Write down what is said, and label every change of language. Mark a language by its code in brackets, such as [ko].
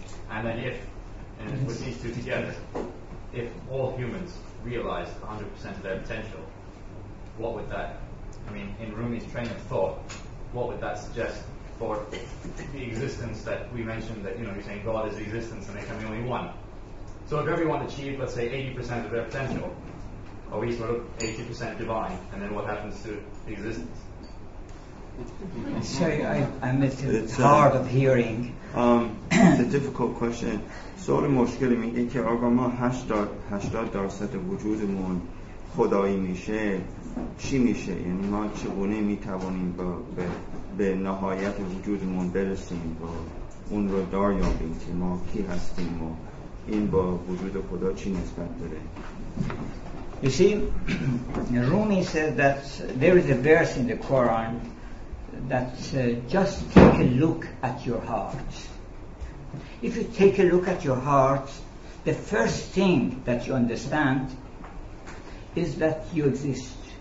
[en] And then with these two together, if all humans realized 100% of their potential, what would that, in Rumi's train of thought, what would that suggest for the existence that we mentioned, that, you're saying God is existence and there can be only one? So if everyone achieved, let's say, 80% of their potential, are we sort of 80% divine? And then what happens to existence? Sorry, I missed it. It's hard of hearing. It's a difficult question. [fa] سوال مشکلی میگه که آقا ما 80% وجودمون خدایی میشه، چی میشه؟ یعنی ما چگونه میتوانیم به نهایت وجودمون برسیم و اون رو دریابیم که ما کی هستیم و این با وجود خدا چی نسبت داره؟ [en] You see, Rumi says that there is a verse in the Quran that just take a look at your heart. If you take a look at your heart, the first thing that you understand is that you exist.